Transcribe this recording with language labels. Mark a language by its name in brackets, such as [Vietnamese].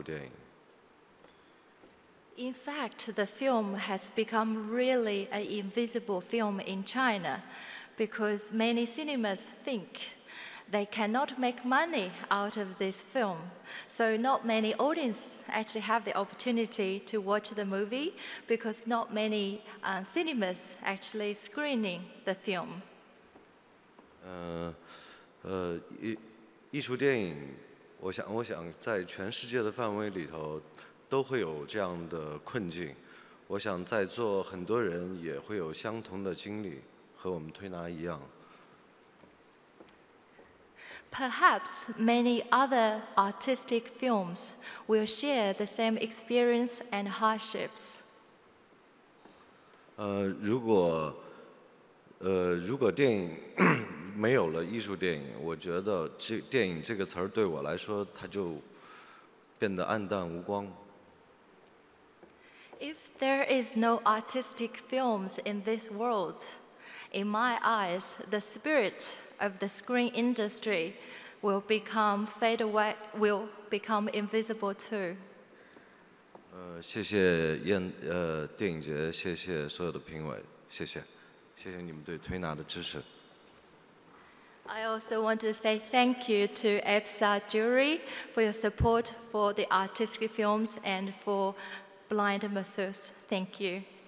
[Chinese] 电影院觉得推拿不是一部可以挣钱的电影，所以他给观众都没有机会去看到这部电影。现在只有一些很少的电影院在放这部电影。 [English] In fact, the film has become really an invisible film in China because many cinemas think they cannot make money out of this film. So not many audience actually have the opportunity to watch the movie because not many cinemas actually screening the film. [Chinese] 艺术电影，我想在全世界的范围里头都会有这样的困境。我想在座很多人也会有相同的经历，和我们推拿一样。 [English] Perhaps many other artistic films will share the same experience and hardships. [Chinese] 如果电影没有了艺术电影，我觉得这电影这个词儿对我来说，它就变得暗淡无光。 [English] If there is no artistic films in this world, in my eyes, the spirit of the screen industry will become fade away, will become invisible too. [Chinese] 谢谢电影节，谢谢所有的评委，谢谢，谢谢你们对推拿的支持。 [English] I also want to say thank you to EPSA Jury for your support for the artistic films and for Blind Masseuse. Thank you.